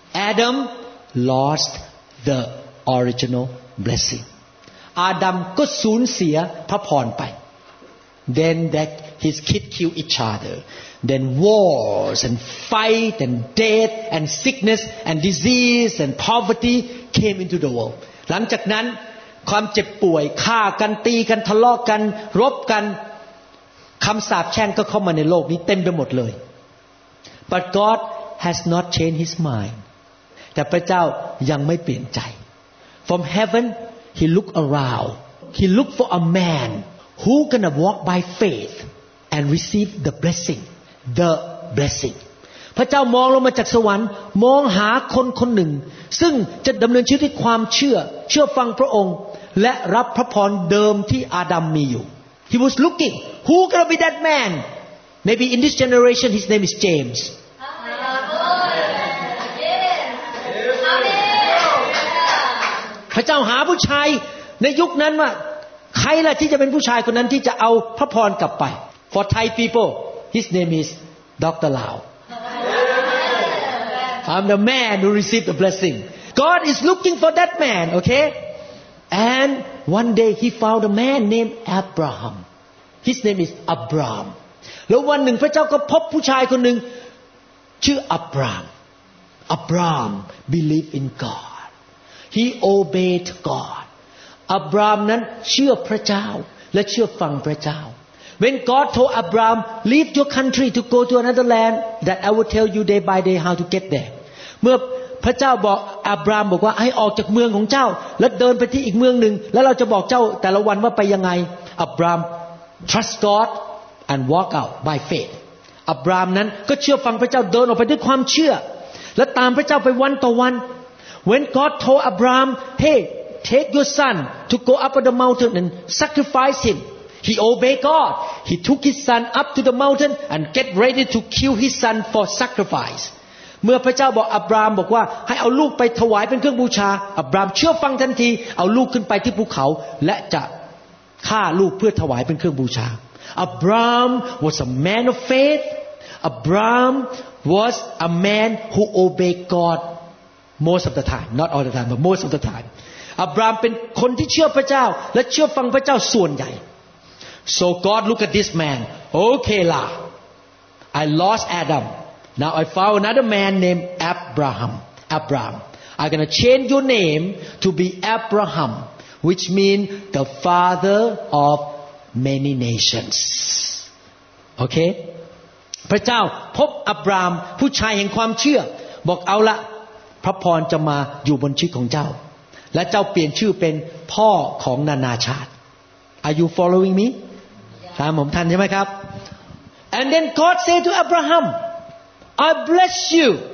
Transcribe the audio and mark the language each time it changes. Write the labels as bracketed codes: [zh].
[en] Adam lost the original blessing [th] อาดัมก็สูญเสียพระพรไป [en] Then that his kids kill each other Then wars and fight and death and sickness and disease and poverty came into the world [th] หลังจากนั้นความเจ็บป่วยฆ่ากันตีกันทะเลาะกันรบกัน คำสาปแช่งก็เข้ามาในโลกนี้เต็มไปหมดเลย [en] But God has not changed his mind [th] แต่พระเจ้ายังไม่เปลี่ยนใจ [en] From heavenHe looked around. He looked for a man who gonna walk by faith and receive the blessing, the blessing. [th] พระเจ้ามองลงมาจากสวรรค์มองหาคนคนหนึ่งซึ่งจะดำเนินชีวิตด้วยความเชื่อฟังพระองค์และรับพระพรเดิมที่อาดัมมีอยู่ [en] He was looking. Who gonna be that man? Maybe in this generation, his name is James. [th] พระเจ้าหาผู้ชายในยุคนั้นว่าใครล่ะที่จะเป็นผู้ชายคนนั้นที่จะเอาพระพรกลับไป [en] For Thai people, his name is Dr. Lau. I'm the man who received the blessing. God is looking for that man, okay? And one day he found a man named Abraham. His name is Abraham. [th] แล้ววันหนึ่งพระเจ้าก็พบผู้ชายคนหนึ่งชื่ออับราฮัม [en] Abraham believed in God. He obeyed God. [th] Abraham นั้นเชื่อพระเจ้าและเชื่อฟังพระเจ้า [en] When God told Abraham, leave your country to go to another land that I will tell you day by day how to get there. [th] เมื่อพระเจ้าบอกอับรามบอกว่าให้ออกจากเมืองของเจ้าแล้วเดินไปที่อีกเมืองหนึ่งแล้วเราจะบอกเจ้าแต่ละวันว่าไปยังไงอับราม [en] trust God and walk out by faith. [th] Abraham นั้นก็เชื่อฟังพระเจ้าเดินออกไปด้วยความเชื่อและตามพระเจ้าไปวันต่อวัน [en] When God told Abraham, "Hey, take your son to go up on the mountain and sacrifice him," he obeyed God. He took his son up to the mountain and get ready to kill his son for sacrifice. [th] เมื่อพระเจ้าบอกอับรามบอกว่าให้เอาลูกไปถวายเป็นเครื่องบูชาอับรามเชื่อฟังทันทีเอาลูกขึ้นไปที่ภูเขาและจะฆ่าลูกเพื่อถวายเป็นเครื่องบูชา [en] Abraham was a man of faith. Abraham was a man who obeyed God. Most of the time, not all the time, but most of the time. [th] Abraham เป็นคนที่เชื่อพระเจ้าและเชื่อฟังพระเจ้าส่วนใหญ่ [en] So God look at this man. Okay, la. I lost Adam. Now I found another man named Abraham. Abraham. I'm gonna change your name to be Abraham, which means the father of many nations. Okay? [th] พระเจ้าพบอับรามผู้ชายแห่งความเชื่อบอกเอาละพระพรจะมาอยู่บนชีวิตของเจ้าและเจ้าเปลี่ยนชื่อเป็นพ่อของนานาชาติ [en] Are you following me? [th] ถามผมทันใช่ไหมครับ [en] And then God said to Abraham, I bless you.